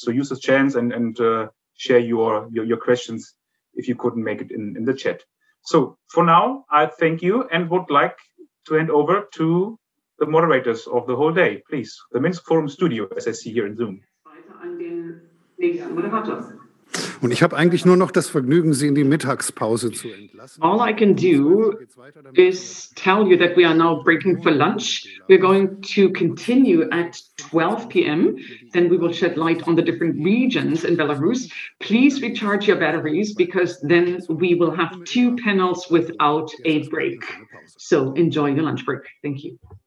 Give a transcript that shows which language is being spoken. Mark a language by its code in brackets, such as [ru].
[en] So use the chance and share your questions if you couldn't make it in the chat. So for now, I thank you and would like to hand over to the moderators of the whole day, please. The Minsk Forum Studio, as I see here in Zoom. Moderator. [de] Und ich habe eigentlich nur noch das Vergnügen, Sie in die Mittagspause zu entlassen. [en] All I can do is tell you that we are now breaking for lunch. We're going to continue at 12 p.m. Then we will shed light on the different regions in Belarus. Please recharge your batteries, because then we will have two panels without a break. So enjoy your lunch break. Thank you.